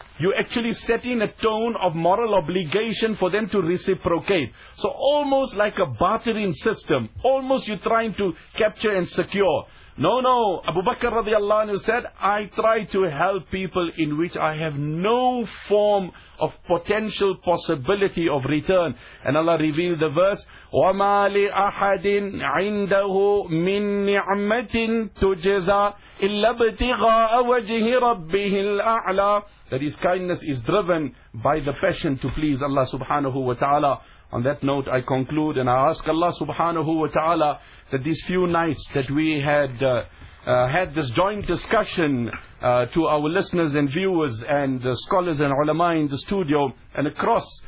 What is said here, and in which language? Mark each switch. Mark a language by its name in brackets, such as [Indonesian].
[English] You're actually setting a tone of moral obligation for them to reciprocate. So almost like a bartering system. Almost you're trying to capture and secure. No, no. Abu Bakr radiallahu anhu said, I try to help people in which I have no form of potential possibility of return. And Allah revealed the verse, [Arabic] وَمَا لِأَحَدٍ عِنْدَهُ مِن نِعْمَةٍ تُجْزَى إِلَّا ابْتِغَاءَ وَجْهِ رَبِّهِ الْأَعْلَى. [English] That his kindness is driven by the passion to please Allah subhanahu wa ta'ala. On that note, I conclude and I ask Allah subhanahu wa ta'ala that these few nights that we had had this joint discussion to our listeners and viewers and scholars and ulama in the studio and across